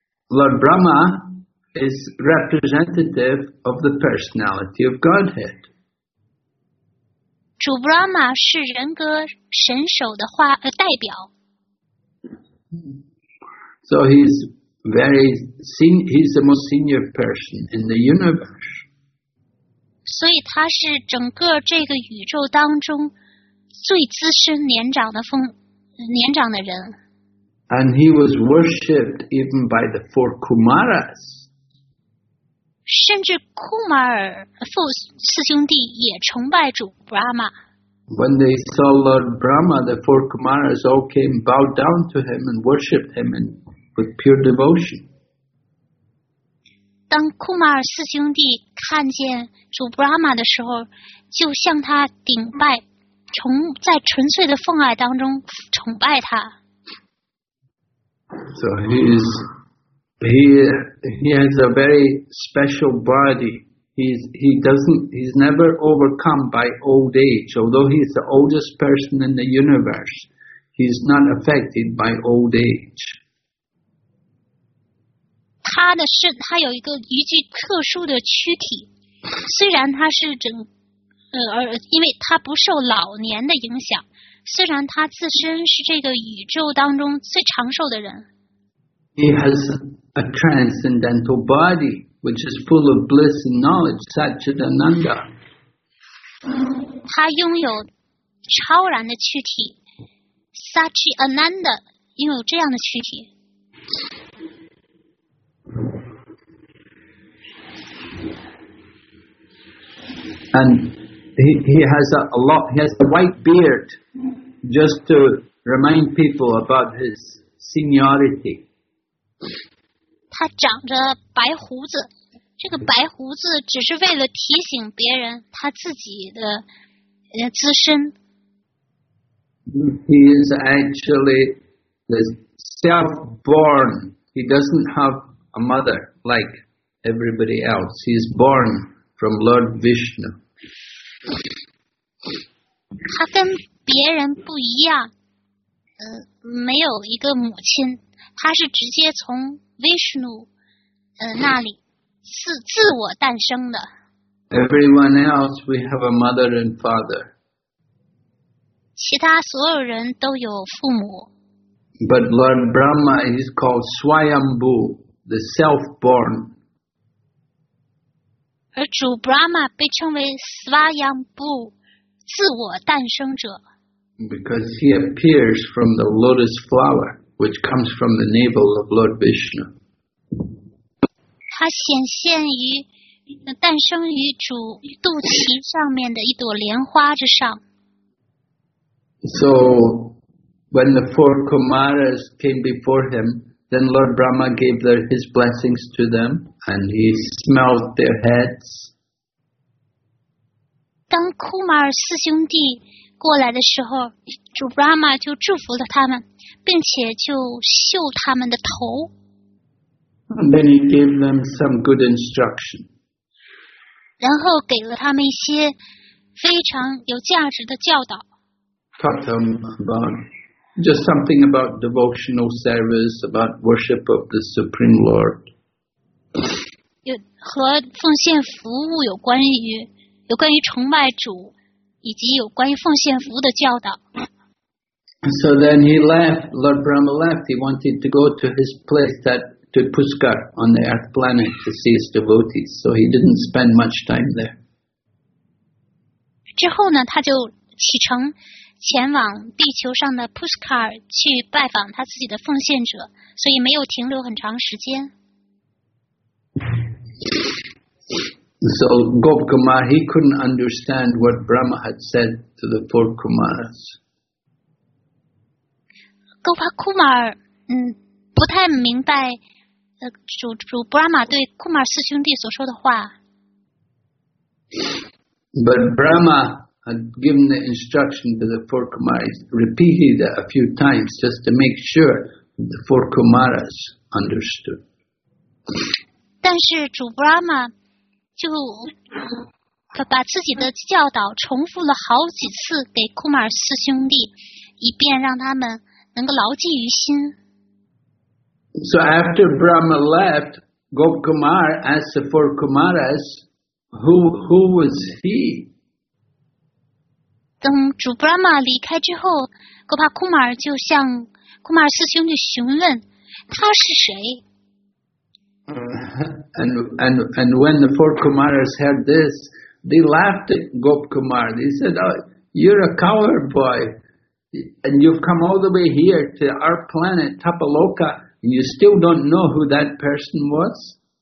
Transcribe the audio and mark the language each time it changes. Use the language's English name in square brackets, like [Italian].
[English] Lord Brahma is representative of the personality of Godhead. [Chinese] 主 Brahma 是人格神首的代表。 [English] So he's very senior, he's the most senior person in the universe. [Chinese] 所以他是整个这个宇宙当中最资深年长的人。 [English] And he was worshipped even by the four Kumaras. [Chinese] 甚至库马尔四兄弟也崇拜主 Brahma. [English] When they saw Lord Brahma, the four Kumaras all came bowed down to him and worshipped him with pure devotion. [Chinese] 当库马尔四兄弟看见主 Brahma 的时候，就向他顶拜，在纯粹的奉爱当中崇拜他。 [English] So he has a very special body. He's never overcome by old age. Although he's the oldest person in the universe, he's not affected by old age. [Chinese] 他有一个一具特殊的躯体，虽然他是因为他不受老年的影响，虽然他自身是这个宇宙当中最长寿的人。 [English] He has a transcendental body which is full of bliss and knowledge, Satchitananda. [Chinese] 他拥有超然的躯体 ，Satchitananda 拥有这样的躯体。 [English] And he has a white beard, just to remind people about his seniority. [Chinese] 他长着白胡子，这个白胡子只是为了提醒别人他自己的资深。 [English] He is actually the self-born. He doesn't have a mother like everybody else. He is born from Lord Vishnu. [Chinese] 他跟别人不一样，没有一个母亲，他是直接从 Vishnu 那里自我诞生的。 [English] Everyone else, we have a mother and father. [Chinese] 其他所有人都有父母。 [English] But Lord Brahma is called Swayambhu, the self-born. [Chinese] 而主 Brahma 被称为 Svayambhu, 自我诞生者。 [English] Because he appears from the lotus flower, which comes from the navel of Lord Vishnu. [Chinese] 他显现于诞生于主肚脐上面的一朵莲花之上。 [English] So, when the four Kumaras came before him,Then Lord Brahma gave his blessings to them, and he smelled their heads. [Chinese] 当库马尔四兄弟过来的时候，主 Brahma 就祝福了他们，并且就嗅他们的头。 [English] And then he gave them some good instruction. [Chinese] 然后给了他们一些非常有价值的教导。 [English] Taught them about. Just something about devotional service, about worship of the Supreme Lord. [Chinese] 和奉献服务有关于崇拜主，以及有关于奉献服务的教导。 [English] So then he left, Lord Brahma left. He wanted to go to his place, that to Puskar on the earth planet, to see his devotees. So he didn't spend much time there. [Chinese] 之后呢，他就启程前往地球上的 Puskar 去拜访他自己的奉献者，所以没有停留很长时间。 [English] So Gop Kumar, he couldn't understand what Brahma had said to the four Kumaras. [Chinese] Gopa Kumar, 不太明白主 Brahma 对 Kumar 四兄弟所说的话。 [English] But Brahma had given the instruction to the four Kumaras, repeated it a few times just to make sure the four Kumaras understood. [Chinese] 但是主 Brahma就把自己的教导重复了好几次给库马尔四兄弟，以便让他们能够牢记于心。 [English] So after Brahma left, Gop Kumar asked the four Kumaras, who was he? [Chinese] 等主 Brahma 离开之后，哥帕库马尔就向库马尔四兄弟询问他是谁。 [English] And when the four Kumaras heard this, they laughed at Gop Kumar. They said, oh, you're a coward boy, and you've come all the way here to our planet, Tapaloka, and you still don't know who that person was?